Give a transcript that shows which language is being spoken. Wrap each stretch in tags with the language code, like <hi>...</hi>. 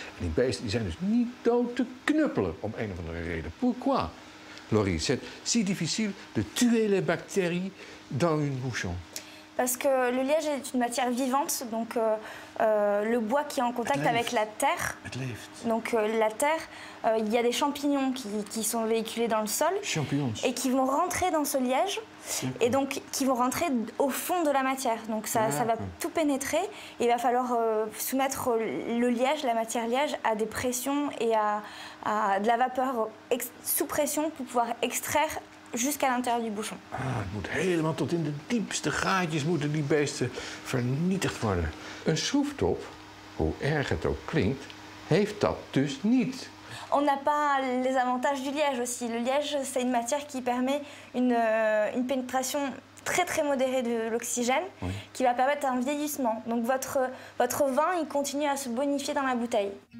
<nl>En die beesten die zijn dus niet dood te knuppelen, om een of andere reden.</nl> <fr>Pourquoi? Laurie, c'est si difficile de tuer les bactéries dans une bouchon. Parce que le liège est une matière vivante, donc le bois qui est en contact avec la terre. Donc la terre, il y a des champignons qui sont véhiculés dans le sol. Champignons. Et qui vont rentrer dans ce liège. D'accord. Et donc qui vont rentrer au fond de la matière. Donc ça va tout pénétrer. Et il va falloir soumettre le liège, la matière liège, à des pressions et à de la vapeur sous pression pour pouvoir extraire. Jusqu'à l'intérieur du bouchon.</fr> <nl>Ah, het moet helemaal tot in de diepste gaatjes moeten die beesten vernietigd worden. Een schroeftop, hoe erg het ook klinkt, heeft dat dus niet.</nl> <fr>On n'a pas les avantages du liège aussi. Le liège, c'est une matière qui permet une pénétration très très modérée de l'oxygène, oui. Qui va permettre un vieillissement. Donc votre vin, il continue à se bonifier dans la bouteille.</fr>